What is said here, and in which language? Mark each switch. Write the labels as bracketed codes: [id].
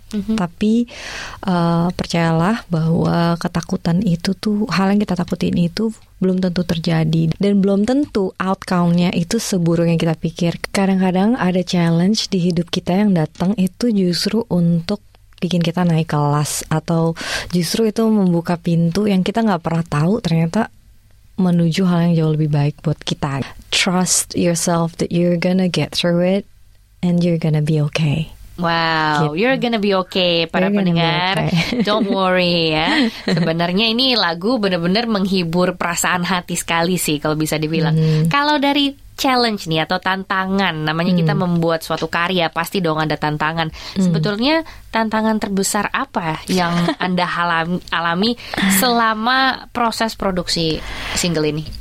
[id] Tapi percayalah bahwa ketakutan itu tuh, hal yang kita takutin itu belum tentu terjadi, dan belum tentu outcome-nya itu seburuk yang kita pikir. Kadang-kadang ada challenge di hidup kita yang datang itu justru untuk bikin kita naik kelas, atau justru itu membuka pintu yang kita gak pernah tahu ternyata menuju hal yang jauh lebih baik buat kita. [en] Trust yourself that you're gonna get through it and you're gonna be okay. Wow, you're gonna be okay, [id] para pendengar. [en] Don't worry ya. [id] Sebenarnya ini lagu benar-benar menghibur perasaan hati sekali sih, kalau bisa dibilang. Kalau dari challenge nih atau tantangan, namanya kita membuat suatu karya, pasti dong ada tantangan. Sebetulnya tantangan terbesar apa yang Anda alami selama proses produksi single ini?